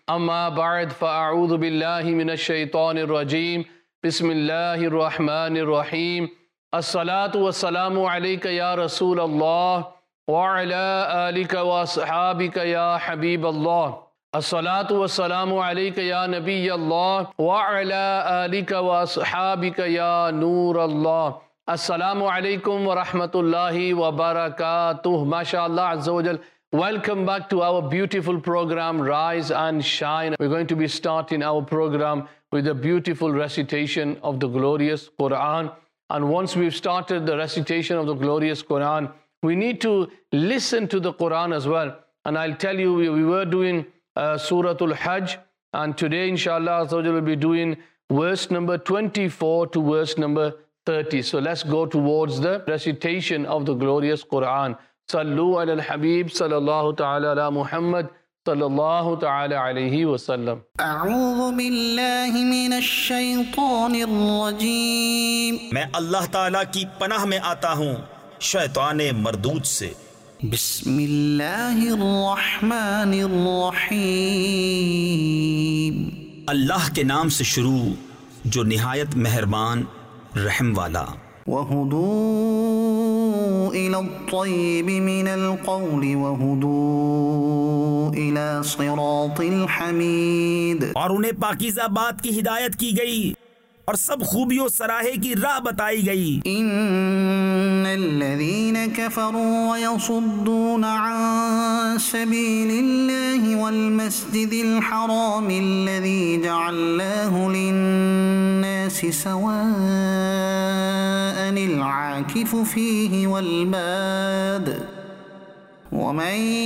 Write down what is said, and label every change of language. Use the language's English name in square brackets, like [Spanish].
[Arabic] أما بعد فأعوذ بالله من الشيطان الرجيم بسم الله الرحمن الرحيم الصلاة والسلام عليك يا رسول الله وعلى آلك وأصحابك يا حبيب الله الصلاة والسلام عليك يا نبي الله وعلى آلك وأصحابك يا نور الله السلام عليكم ورحمة الله وبركاته ما شاء الله عز وجل. [English] Welcome back to our beautiful program, Rise and Shine. We're going to be starting our program with a beautiful recitation of the glorious Quran. And once we've started the recitation of the glorious Quran, we need to listen to the Quran as well. And I'll tell you, we were doing Suratul Hajj. And today, inshallah, we'll be doing verse number 24 to verse number 30. So let's go towards the recitation of the glorious Quran. [Arabic] صلوا على الحبيب صلى الله تعالى على محمد صلى الله تعالى عليه وسلم أعوذ بالله من الشيطان الرجيم [Urdu] میں اللہ تعالی کی پناہ میں آتا ہوں شیطان مردود سے [Arabic] بسم اللہ الرحمن الرحیم [Urdu] اللہ کے نام سے شروع جو نہایت مہربان رحم والا [Arabic] وهدوا إلى الطيب من القول وهدوا إلى صراط الحميد [Urdu] اور انہیں پاکیزہ بات کی ہدایت کی گئی اور سب خوبیوں سراہے کی راہ بتائی گئی [Arabic] ان الذين كفروا ويصدون عن سبيل الله والمسجد الحرام الذي جعلناه للناس سواء العاكف فيه والباد ومن